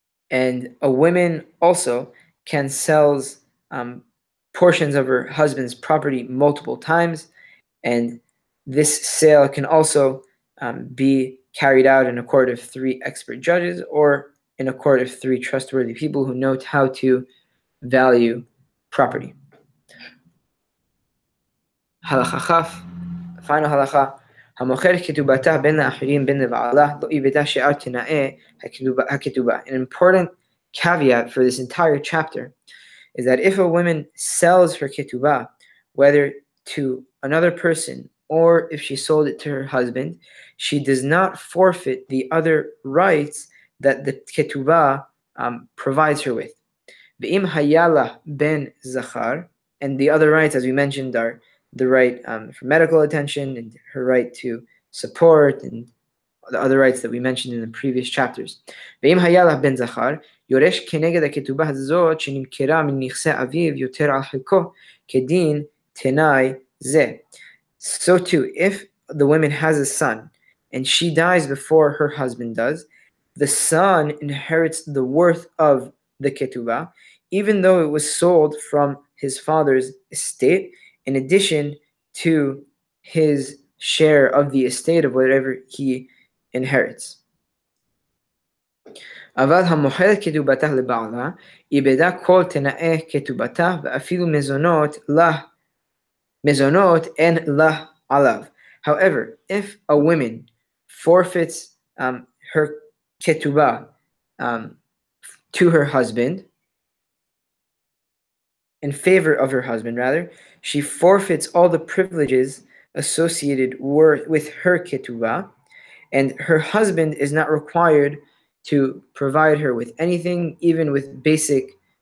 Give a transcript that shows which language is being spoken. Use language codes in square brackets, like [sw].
[en] And a woman also can sell portions of her husband's property multiple times, and this sale can also be carried out in a court of three expert judges or in a court of three trustworthy people who know how to value property. Halacha chaf, final halacha. [he] המוכר כתובתה בין האחרים בין לבעלה לא יבטא שאר תנאי הכתובה. [en] An important caveat for this entire chapter is that if a woman sells her ketubah, whether to another person or if she sold it to her husband, she does not forfeit the other rights that the ketubah provides her with. [he] ואם היה לה בן זכר, [en] and the other rights, as we mentioned, are the right for medical attention and her right to support and the other rights that we mentioned in the previous chapters. [he] ואם היה לה בן זכר, יורש כנגד הכתובה הזאת שנמכרה מנכסי אביו יותר על חלקו כדין תנאי זה. [en] So too, if the woman has a son and she dies before her husband does, the son inherits the worth of the ketubah, even though it was sold from his father's estate, in addition to his share of the estate of whatever he inherits. [he] אבל המוכר כתובתה לבעלה, איבדה כל תנאי כתובתה ואפילו מזונות לה, מזונות אין לה עליו. [en] However, if a woman forfeits her ketubah to her husband, in favor of her husband, rather, she forfeits all the privileges associated with her ketubah, and her husband is not required to provide her with anything, even with basic